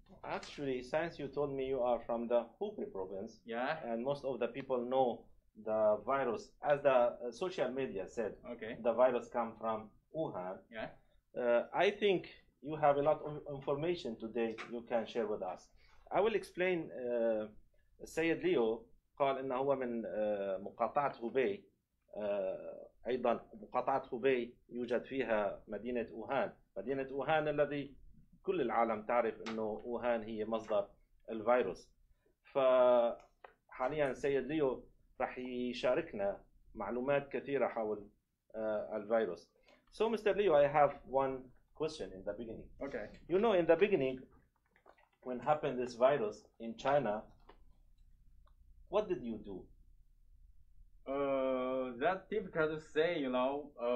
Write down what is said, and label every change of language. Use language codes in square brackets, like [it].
[en] Actually, since you told me you are from the Hubei province, yeah, and most of the people know the virus, as the social media said, okay, the virus come from Wuhan. Yeah, I think you have a lot of information today you can share with us. I will explain. [ar] السيد ليو قال انه هو من مقاطعة هوبي ايضا مقاطعة هوبي يوجد فيها مدينة اوهان مدينة اوهان الذي كل العالم تعرف انه اوهان هي مصدر الفيروس فحاليا السيد ليو راح يشاركنا معلومات كثيرة حول الفيروس [en] So Mr. Leo, I have one question in the beginning. Okay. You know, in the beginning, when happened this virus in China, what did you do? That's difficult to say, you know.